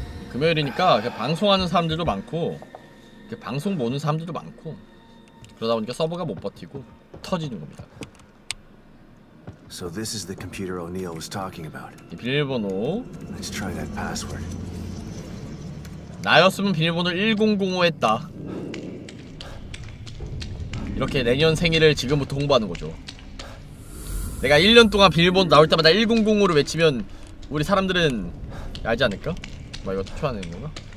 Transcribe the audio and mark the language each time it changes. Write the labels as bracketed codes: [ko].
[ko] 금요일이니까 방송하는 사람들도 많고 방송 보는 사람들도 많고 그러다 보니까 서버가 못 버티고 터지는 겁니다. [en] So this is the computer O'Neill was talking about. [ko] 비밀번호. [en] Let's try that password. [ko] 나였으면 비밀번호 1005했다. 이렇게 내년 생일을 지금부터 홍보하는 거죠. 내가 1년 동안 비밀번호 나올 때마다 1005를 외치면 우리 사람들은 알지 않을까? 막 이거 투표하는 건가?